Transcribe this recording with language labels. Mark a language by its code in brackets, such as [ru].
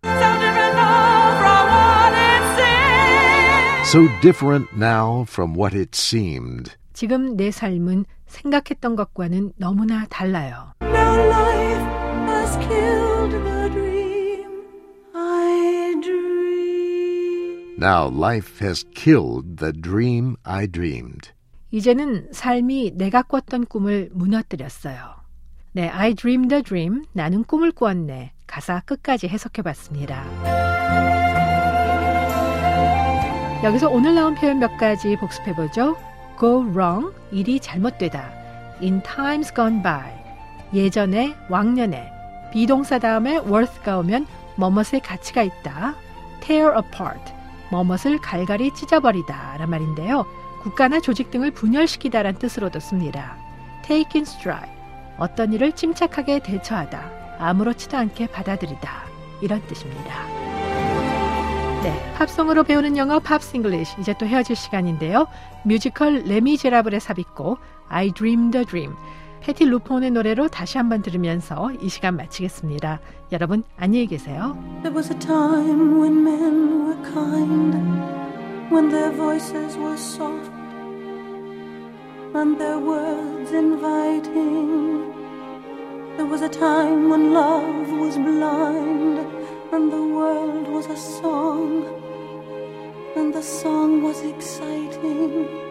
[en] So different from what it seems. So different now from what it seemed. 지금 내 삶은 생각했던 것과는 너무나 달라요. Now life has killed my dream. I dream. Now life has killed the dream I dreamed. [ko] 이제는 삶이 내가 꿨던 꿈을 무너뜨렸어요. 네, I dreamed a dream, 나는 꿈을 꾸었네. 가사 끝까지 해석해봤습니다. 여기서 오늘 나온 표현 몇 가지 복습해보죠. [en] Go wrong, [ko] 일이 잘못되다. [en] In times gone by, [ko] 예전에, 왕년에. 비동사 다음에 worth가 오면 뭐뭇의 가치가 있다. [en] Tear apart, [ko] 뭐뭇을 갈갈이 찢어버리다 라는 말인데요. 국가나 조직 등을 분열시키다란 뜻으로도 씁니다. [en] Take in stride, [ko] 어떤 일을 침착하게 대처하다, 아무렇지도 않게 받아들이다, 이런 뜻입니다. 네, 팝송으로 배우는 영어 팝스 잉글리시, 이제 또 헤어질 시간인데요. 뮤지컬 레미제라블의 삽입곡 I Dreamed a Dream, 패티 루폰의 노래로 다시 한번 들으면서 이 시간 마치겠습니다. 여러분, 안녕히 계세요. [en] There was a time when men were kind. When their voices were soft and their words inviting. There was a time when love was blind and the world was a song and the song was exciting.